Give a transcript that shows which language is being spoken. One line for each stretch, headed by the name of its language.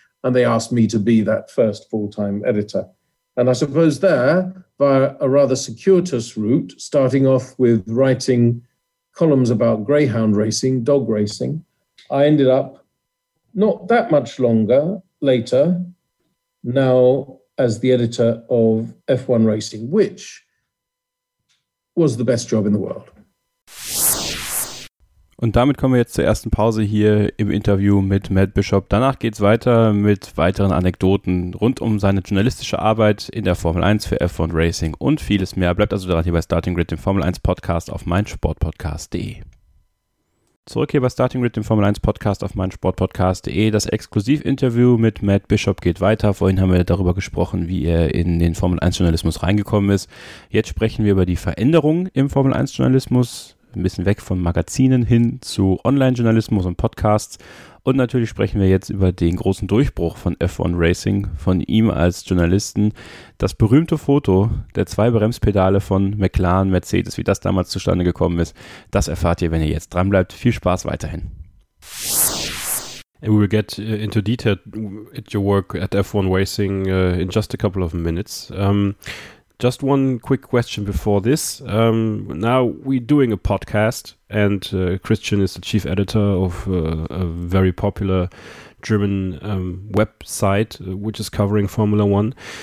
English: And they asked me to be that first full-time editor. And I suppose there, via a rather circuitous route, starting off with writing columns about greyhound racing, dog racing, I ended up not that much longer later now as the editor of F1 Racing, which was the best job in the world.
German: Und damit kommen wir jetzt zur ersten Pause hier im Interview mit Matt Bishop. Danach geht's weiter mit weiteren Anekdoten rund um seine journalistische Arbeit in der Formel 1 für F1 Racing und vieles mehr. Bleibt also dran hier bei Starting Grid, dem Formel 1 Podcast auf meinsportpodcast.de. Zurück hier bei Starting Grid, dem Formel 1 Podcast auf meinsportpodcast.de. Das Exklusivinterview mit Matt Bishop geht weiter. Vorhin haben wir darüber gesprochen, wie er in den Formel 1 Journalismus reingekommen ist. Jetzt sprechen wir über die Veränderungen im Formel 1 Journalismus. Ein bisschen weg von Magazinen hin zu Online-Journalismus und Podcasts. Und natürlich sprechen wir jetzt über den großen Durchbruch von F1 Racing, von ihm als Journalisten. Das berühmte Foto der zwei Bremspedale von McLaren, Mercedes, wie das damals zustande gekommen ist, das erfahrt ihr, wenn ihr jetzt dranbleibt. Viel Spaß weiterhin.
English: We will get into detail at your work at F1 Racing in just a couple of minutes. Just one quick question before this. Now we're doing a podcast, and Christian is the chief editor of a very popular German website, which is covering Formula One.